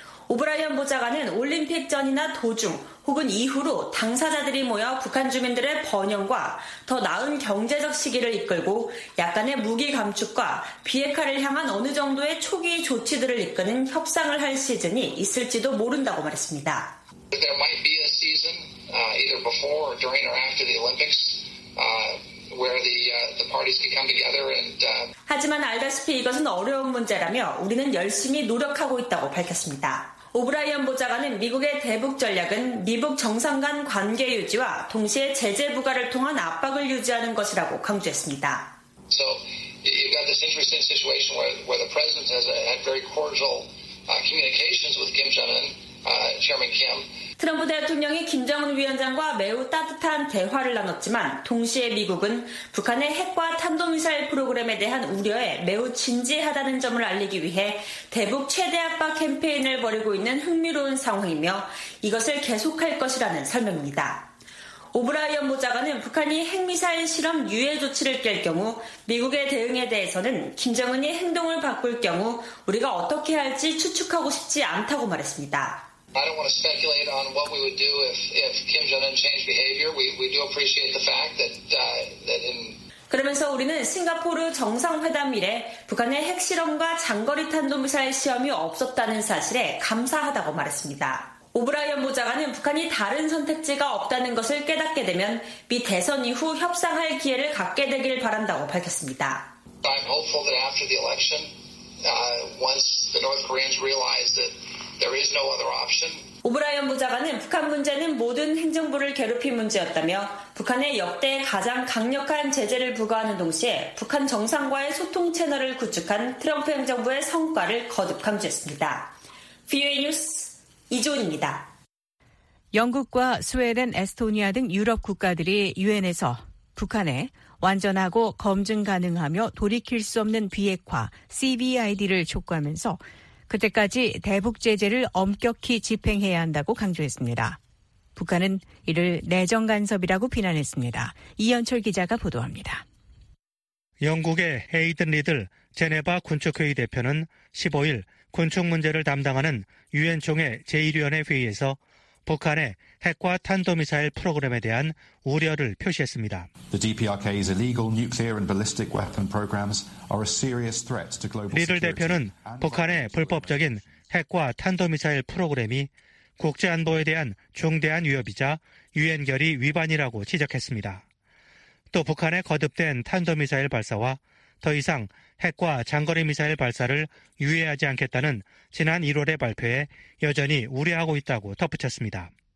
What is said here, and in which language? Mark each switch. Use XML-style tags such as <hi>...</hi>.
<ko>오브라이언 보좌관은 올림픽 전이나 도중 혹은 이후로 당사자들이 모여 북한 주민들의 번영과 더 나은 경제적 시기를 이끌고 약간의 무기 감축과 비핵화를 향한 어느 정도의 초기 조치들을 이끄는 협상을 할 시즌이 있을지도 모른다고 말했습니다.</ko> <en>There might be a season either before or during or after the Olympics. Where the parties can come together and</en> <ko>하지만 알다시피 이것은 어려운 문제라며 우리는 열심히 노력하고 있다고 밝혔습니다. 오브라이언 보좌관은 미국의 대북 전략은 미북 정상 간 관계 유지와 동시에 제재 부과를 통한 압박을 유지하는 것이라고 강조했습니다.</ko> <en>So you've got this interesting situation where the president has had very cordial communications with Kim Jong-un, Chairman Kim.</en> <ko>트럼프 대통령이 김정은 위원장과 매우 따뜻한 대화를 나눴지만 동시에 미국은 북한의 핵과 탄도미사일 프로그램에 대한 우려에 매우 진지하다는 점을 알리기 위해 대북 최대 압박 캠페인을 벌이고 있는 흥미로운 상황이며 이것을 계속할 것이라는 설명입니다. 오브라이언 보좌관은 북한이 핵미사일 실험 유예 조치를 깰 경우 미국의 대응에 대해서는 김정은이 행동을 바꿀 경우 우리가 어떻게 할지 추측하고 싶지 않다고 말했습니다.</ko> <en>I don't want to speculate on what we would do if Kim Jong-un changed behavior. We do appreciate the fact that in</en> <ko>그러면서 우리는 싱가포르 정상회담 이래 북한의 핵실험과 장거리 탄도미사일 시험이 없었다는 사실에 감사하다고 말했습니다. 오브라이언 보좌관은 북한이 다른 선택지가 없다는 것을 깨닫게 되면 미 대선 이후 협상할 기회를 갖게 되길 바란다고 밝혔습니다.</ko> <en>I'm hopeful that after the election, once the North Koreans realize that there is no other option.</en> <ko>오브라이언 보좌관은 북한 문제는 모든 행정부를 괴롭힌 문제였다며 북한에 역대 가장 강력한 제재를 부과하는 동시에 북한 정상과의 소통 채널을 구축한 트럼프 행정부의 성과를 거듭 강조했습니다. VOA 뉴스 이지훈입니다. 영국과 스웨덴, 에스토니아 등 유럽 국가들이 유엔에서 북한에 완전하고 검증 가능하며 돌이킬 수 없는 비핵화 CBID를 촉구하면서 그때까지 대북 제재를 엄격히 집행해야 한다고 강조했습니다. 북한은 이를 내정 간섭이라고 비난했습니다. 이현철 기자가 보도합니다. 영국의 헤이든 리들 제네바 군축회의 대표는 15일 군축 문제를 담당하는 유엔총회 제1위원회 회의에서 북한의 핵과 탄도미사일 프로그램에 대한 우려를 표시했습니다.</ko> <en>The DPRK's illegal nuclear and ballistic weapon programs are a serious threat to global security.</en> <ko>리들 대표는 북한의 불법적인 핵과 탄도미사일 프로그램이 국제 안보에 대한 중대한 위협이자 유엔 결의 위반이라고 지적했습니다. 또 북한의 거듭된 탄도미사일 발사와 더 이상 핵과 장거리 미사일 발사를 유예하지 않겠다는 지난 1월의 발표에 여전히 우려하고 있다고 덧붙였습니다.</ko>